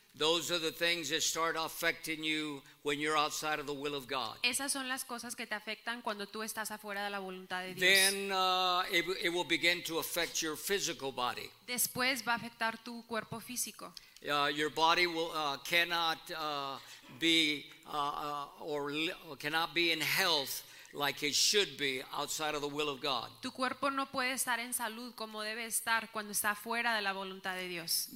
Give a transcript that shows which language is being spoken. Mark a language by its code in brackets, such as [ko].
[en] Those are the things that start affecting you when you're outside of the will of God. [es] Esas son las cosas que te afectan cuando tú estás afuera de la voluntad de Dios. [en] Then it will begin to affect your physical body. [es] Después va a afectar tu cuerpo físico. [en] Your body will cannot be in health like it should be outside of the will of God. [es] Tu cuerpo no puede estar en salud como debe estar cuando está fuera de la voluntad de Dios.